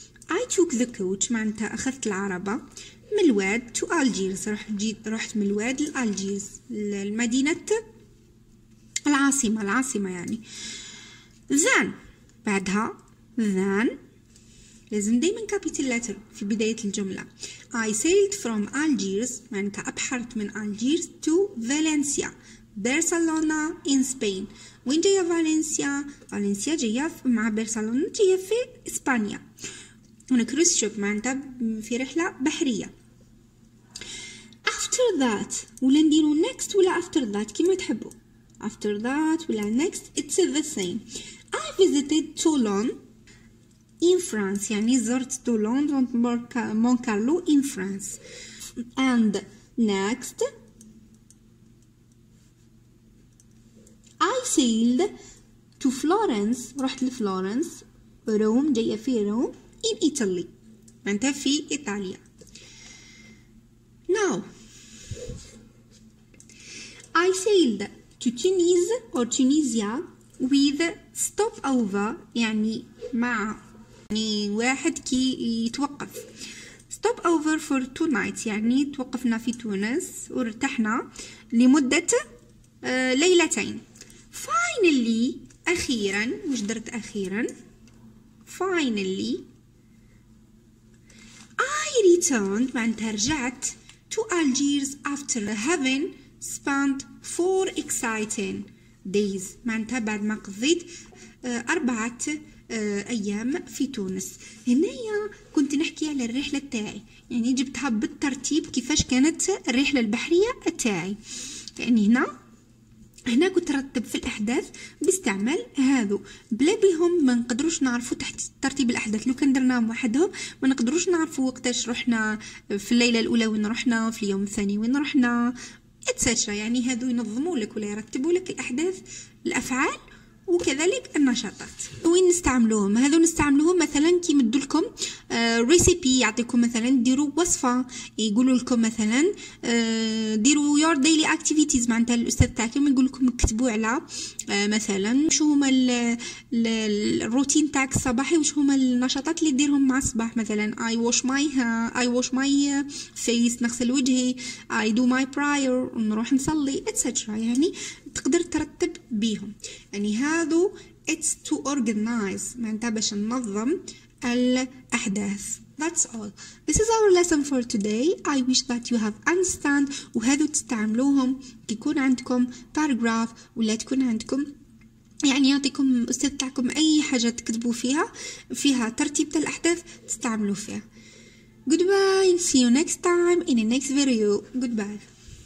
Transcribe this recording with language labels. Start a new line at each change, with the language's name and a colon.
English: I took the coach
Arabic: معناتها أخذت العربة من الواد to Algiers, رحت من الواد لألجيرز المدينة العاصمة يعني. Then لازم دايما
English: capital letter
Arabic: في بداية الجملة.
English: I sailed from Algiers,
Arabic: معناتها أبحرت من
English: Algiers to Valencia, Barcelona in Spain.
Arabic: وين جاية فالنسيا؟ فالنسيا جاية مع برشلونة, جاية في إسبانيا.
English: On a cruise ship,
Arabic: معناتها في رحلة بحرية.
English: After that,
Arabic: ولا نديرو next ولا after that كيما تحبوا.
English: After that, we'll learn next. It's the same. I visited Toulon in France.
Arabic: يعني زرت تولون مون كارلو
English: in France. And next, I sailed to Florence.
Arabic: رحت لفلورنس. روم جاية في روم in Italy. أنت في إيطاليا.
English: Now, I sailed to Tunis or Tunisia with stopover,
Arabic: يعني مع يعني واحد كي يتوقف.
English: Stopover for two nights,
Arabic: يعني توقفنا في تونس وارتحنا لمدة ليلتين.
English: Finally,
Arabic: أخيرا, وش درت أخيرا؟
English: Finally, I returned,
Arabic: معناتها رجعت
English: to Algiers after having spent four exciting days.
Arabic: معناتها بعد ما قضيت أربعة أيام في تونس. هنايا كنت نحكي على الرحلة تاعي. يعني جبتها بالترتيب كيفاش كانت الرحلة البحرية تاعي. يعني هنا كنت رتب في الأحداث باستعمال هذو. بلا بهم ما نقدروش نعرفوا تحت ترتيب الأحداث. لو كان درناهم وحدهم ما نقدروش نعرفوا وقتاش رحنا في الليلة الأولى وين رحنا في اليوم الثاني وين رحنا. اتسجر يعني هذو ينظموا لك ولا يرتبوا لك الأحداث الأفعال وكذلك النشاطات. وين نستعملوهم؟ هذو نستعملوهم مثلا كي يمدوا لكم ريسيبي يعطيكم مثلا ديروا وصفة يقولوا لكم مثلا ديروا
English: your daily activities.
Arabic: معناتها الأستاذ تاعكم يقول لكم اكتبوا على مثلا شو هما الروتين تاعك الصباحي وشو هما النشاطات اللي ديرهم مع الصباح.
English: مثلا I wash my face
Arabic: نغسل وجهي
English: I do my prayer
Arabic: نروح نصلي
English: etc.
Arabic: يعني تقدر ترتب بيهم. يعني هذا
English: it's to organize
Arabic: معناتها باش ننظم الأحداث.
English: That's all. This is our lesson for today. I wish that you have understand.
Arabic: وهذا تستعملوهم كيكون عندكم paragraph ولا تكون عندكم يعني يعطيكم أستاذ تاعكم أي حاجة تكتبوا فيها فيها ترتيب الأحداث تستعملوا فيها.
English: Goodbye. See you next time in the next video.
Arabic: Goodbye.